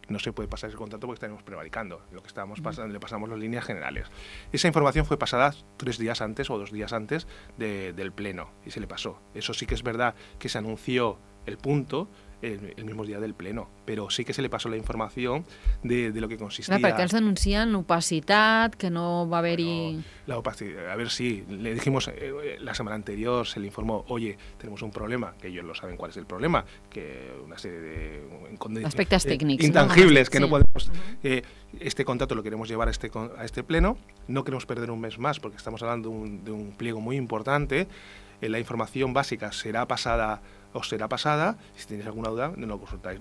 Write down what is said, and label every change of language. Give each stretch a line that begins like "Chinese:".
Spanish: No se puede pasar ese contrato porque estaremos prevaricando. Lo que estábamos pasando, le pasamos las líneas generales. Esa información fue pasada 3 días antes o 2 días antes del pleno y se le pasó. Eso sí que es verdad que se anunció el punto el mismo día del pleno, pero sí que se le pasó la información de lo que consistía.
Catalan: Claro, perquè ens denuncien opacitat, que no va haver-hi...
Spanish: Bueno, la opacitat, a ver, sí, le dijimos la semana anterior, se le informó, oye, tenemos un problema, que ellos lo saben cuál es el problema, que una serie de...
Catalan: Aspectes tècnics.
Spanish: Intangibles, ¿no? Que sí. No podemos... Este contrato lo queremos llevar a este pleno, no queremos perder un mes más, porque estamos hablando de un pliego muy importante, la información básica será pasada os será pasada, si tenéis alguna duda, no lo consultáis.